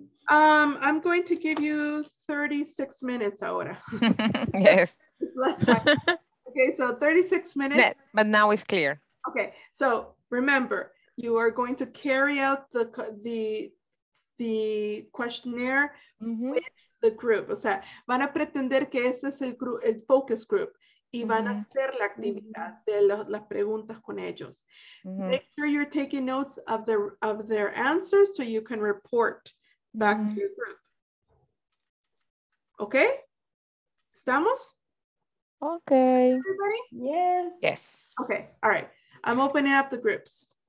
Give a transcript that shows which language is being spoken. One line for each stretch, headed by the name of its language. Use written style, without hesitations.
English: I'm going to give you 36 minutes ahora. Yes. Less time. Okay, so 36 minutes. Net, but now it's clear. Okay, so remember, you are going to carry out the questionnaire mm-hmm. with the group.
Spanish: O sea, van a pretender que ese es el grupo, el focus group. Y van mm-hmm. a hacer la actividad de las preguntas con ellos. Mm-hmm.
English: Make sure you're taking notes of their answers so you can report back mm-hmm. to your group. Okay? ¿Estamos? Okay. Everybody? Yes. Yes. Okay, all right. I'm opening up the groups.